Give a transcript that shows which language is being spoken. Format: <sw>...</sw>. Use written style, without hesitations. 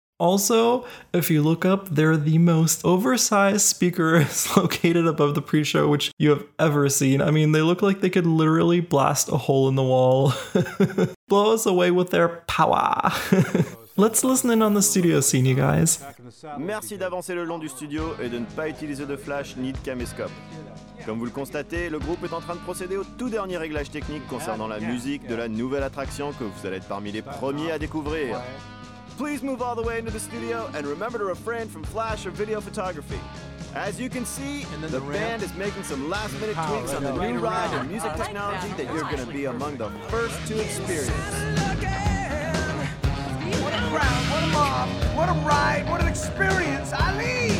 <en>Also, if you look up, they're the most oversized speakers located above the pre-show which you have ever seen. I mean, they look like they could literally blast a hole in the wall. Blow us away with their power. Let's listen in on the studio scene, you guys.</en> <fr>Merci d'avancer le long du studio et de ne pas utiliser de flash ni de caméscope. Comme vous le constatez, le groupe est en train de procéder au tout dernier réglage technique concernant la musique de la nouvelle attraction que vous allez être parmi les premiers à découvrir.</fr> <en>Please move all the way into the studio and remember to refrain from flash or video photography. As you can see, the band is making some last-minute tweaks on the new ride and music technology that you're going to be among the first to experience. What a crowd, what a mob, what a ride, what an experience, Ali!</en>